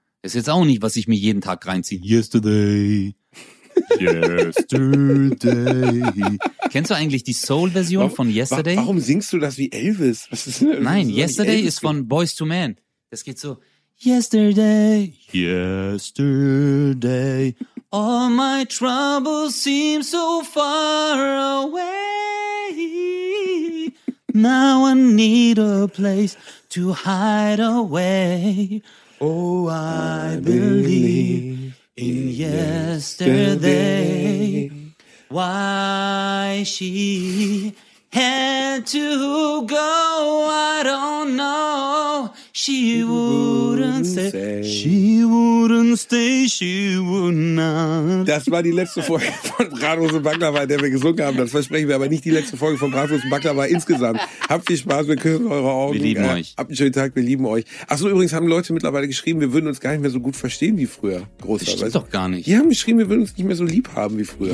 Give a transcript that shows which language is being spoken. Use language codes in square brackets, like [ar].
[de] Ist jetzt auch nicht, was ich mir jeden Tag reinziehe. Yesterday. Yesterday. Kennst du eigentlich die Soul-Version von Yesterday? Warum singst du das wie Elvis? Was ist denn, nein, was ist Yesterday ist von Boys to Men. Das geht so. Yesterday. Yesterday. [en] All my troubles seem so far away. Now I need a place to hide away. Oh, I believe in yesterday, why she had to go, I don't know, she wouldn't stay, she wouldn't stay, she would not. [de] Das war die letzte Folge von Bratwurst und Baklava, in der wir gesungen haben, das versprechen wir, aber nicht die letzte Folge von Bratwurst und Baklava insgesamt. Habt viel Spaß, wir küssen eure Augen. Wir lieben euch. Habt einen schönen Tag, wir lieben euch. Achso, übrigens haben Leute mittlerweile geschrieben, wir würden uns gar nicht mehr so gut verstehen wie früher. Großartig. Das stimmt doch gar nicht. Die haben geschrieben, wir würden uns nicht mehr so lieb haben wie früher.